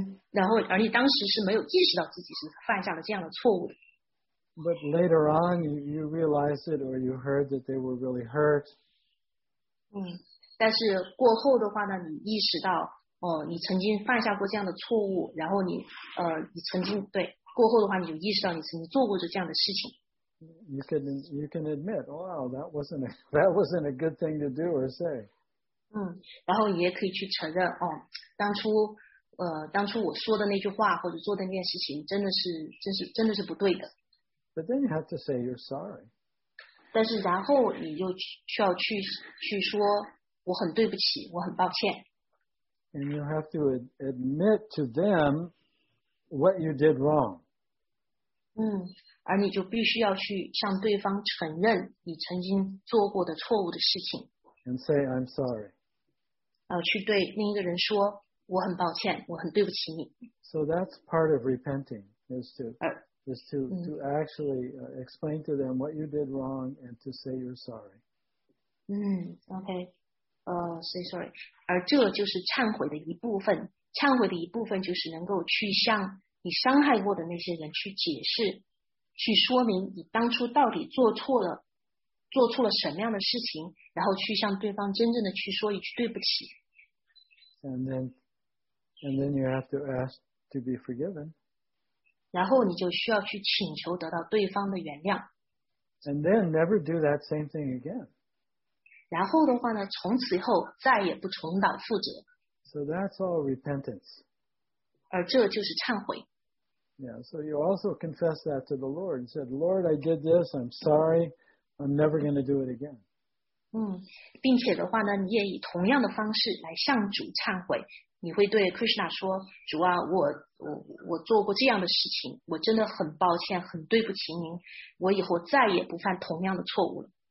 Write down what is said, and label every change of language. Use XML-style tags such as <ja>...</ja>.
<zh>然后而你当时是没有意识到自己是犯下了这样的错误的。</zh> <en>But later on, you realized it, or you heard that they were really hurt.</en> <zh>但是过后的话呢，你意识到，你曾经犯下过这样的错误，然后你曾经对过后的话，你就意识到你曾经做过这样的事情。</zh> <en>You can admit, wow, that wasn't a good thing to do or say.</en> <zh>然后也可以去承认哦，当初我说的那句话或者做的那件事情真的是不对的。</zh> <en>But then you have to say you're sorry.</en> <zh>但是然后你就需要去说我很对不起，我很抱歉。</zh> <en>And you have to admit to them what you did wrong.</en> <zh>而你就必须要去向对方承认你曾经做过的错误的事情。</zh> <en>And say I'm sorry.</en> <zh>去对另一个人说我很抱歉我很对不起你。</zh> <en>So that's part of repenting, is to actually explain to them what you did wrong and to say you're sorry. Say sorry.</en> <zh>而这就是忏悔的一部分。忏悔的一部分就是能够去向你伤害过的那些人去解释去说明你当初到底做错了什么样的事情然后去向对方真正的去说一句对不起。</zh> <en>And then you have to ask to be forgiven.</en> <zh>然后你就需要去请求得到对方的原谅。</zh> <en>And then never do that same thing again.</en> <zh>然后的话呢从此以后再也不重蹈覆辙。</zh> <en>So that's all repentance.</en> <zh>而这就是忏悔。</zh> <en>Yeah, so you also confess that to the Lord and said, Lord, I did this, I'm sorry. I'm never going to do it again.</en> <zh>并且的话呢你也以同样的方式来向主忏悔。你会对 Krishna 说主啊我做过这样的事情我真的很抱歉很对不起您我以后再也不犯同样的错误了。</zh>